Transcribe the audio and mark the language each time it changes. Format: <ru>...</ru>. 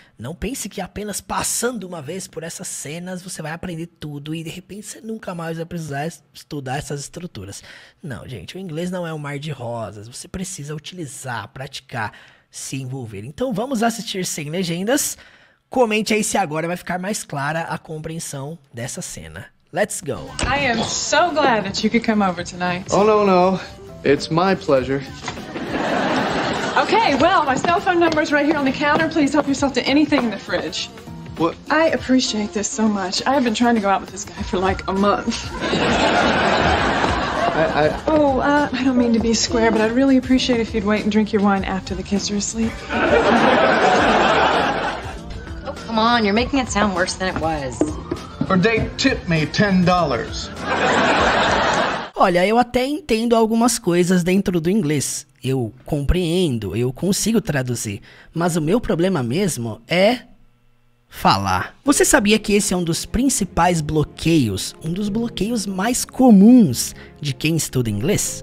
<pt>Não pense que apenas passando uma vez por essas cenas você vai aprender tudo e de repente você nunca mais vai precisar estudar essas estruturas. Não, gente, o inglês não é um mar de rosas. Você precisa utilizar, praticar, se envolver. Então vamos assistir sem legendas. Comente aí se agora vai ficar mais clara a compreensão dessa cena.</pt> <en>Let's go. I am so glad that you could come over tonight. Oh, no, no. It's my pleasure. Okay, well, my cell phone number is right here on the counter. Please help yourself to anything in the fridge. What? I appreciate this so much. I have been trying to go out with this guy for like a month. I don't mean to be square, but I'd really appreciate if you'd wait and drink your wine after the kids are asleep. Come on, you're making it sound worse than it was. For date, tip me $10.</en> <pt>Olha, eu até entendo algumas coisas dentro do inglês. Eu compreendo, eu consigo traduzir. Mas o meu problema mesmo é falar. Você sabia que esse é um dos principais bloqueios, um dos bloqueios mais comuns de quem estuda inglês?</pt>